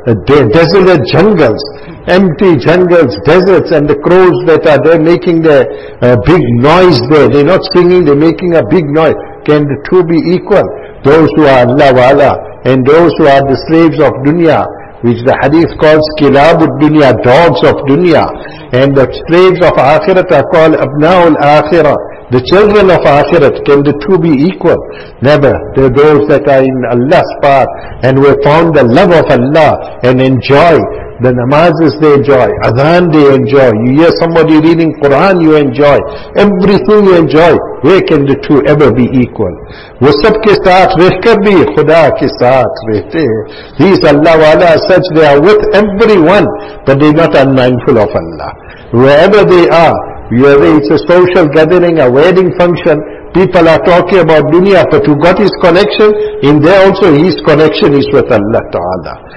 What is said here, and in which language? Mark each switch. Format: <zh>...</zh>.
<en>desolate jungles, empty jungles, deserts, and the crows that are there making their big noise there, they're not singing, they're making a big noise, can the two be equal, those who are Allah wala, and those who are the slaves of dunya, which the hadith calls kilabud dunya, dogs of dunya, and the slaves of akhirat are called abnaul akhirah, the children of akhirat, can the two be equal? Never. They're those that are in Allah's path, and were found the love of Allah, and enjoy the namazes they enjoy, adhan they enjoy, you hear somebody reading Quran, you enjoy, everything you enjoy, where can the two ever be equal?</en> <ur>وہ سب کے ساتھ رہ کر بھی خدا کے ساتھ رہتے ہیں.</ur> <en>These Allah wala such, they are with everyone, but they are not unmindful of Allah. Wherever they are, whether it's a social gathering, a wedding function, People are talking about dunya, but who got his connection? In there also his connection is with Allah Ta'ala.</en>